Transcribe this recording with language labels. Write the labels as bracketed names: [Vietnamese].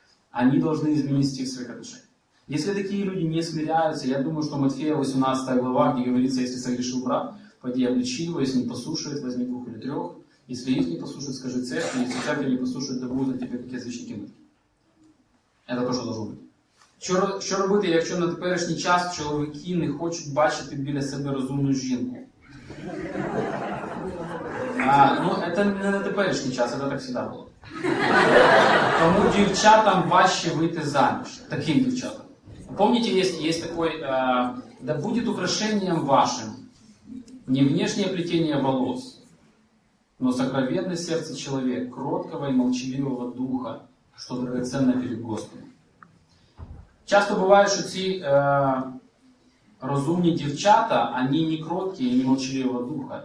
[Russian] Они должны изменить стих своих отношений. Если такие люди не смиряются, я думаю, что Матфея 18 глава, где говорится, если согрешил брат, пойди обличи его, если не послушает, возьми 2 или 3. Если их не послушает, скажи церкви, если церкви не послушает, то будут на тебе как язычники мы. Это то, что должно быть. [Ukrainian] Що робити, якщо на теперішній час чоловіки не хочуть бачити біля себе розумну жінку? [Russian] Ну, это не [Ukrainian] на теперішній час, [Russian] это так всегда было. [Ukrainian] Тому дівчатам важче вийти заміж, таким дівчатам. [Russian] Помните, есть такой, да будет украшением вашим не внешнее плетение волос, но сокровенное сердце человека, кроткого и молчаливого духа, что драгоценно перед Господом. Часто бывает, что эти разумные девчата, они не кроткие и не молчаливого духа.